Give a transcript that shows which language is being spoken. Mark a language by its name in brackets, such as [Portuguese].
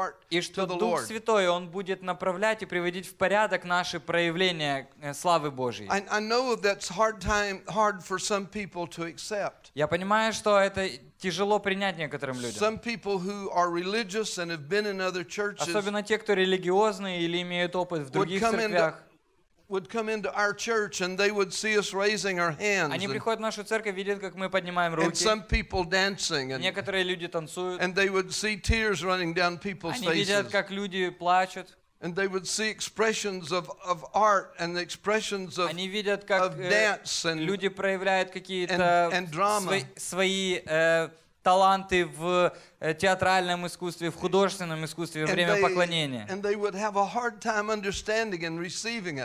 [Russian] И что Дух Святой, Он будет направлять и приводить в порядок наши проявления славы Божьей. Я понимаю, что это тяжело принять некоторым людям. Особенно те, кто религиозные или имеют опыт в других церквях. [English] Would come into our church and they would see us raising our hands. [Russian] Они приходят в нашу церковь, видят, как мы поднимаем руки. [English] And some people dancing. [Russian] Некоторые люди танцуют. [English] And they would see tears running down people's faces. [Russian] Они видят, как люди плачут. [English] And they would see expressions of art and expressions of [Russian] они видят, как [English] of dance and [Russian] люди проявляют какие-то свои таланты в театральном искусстве, в художественном искусстве, во время поклонения.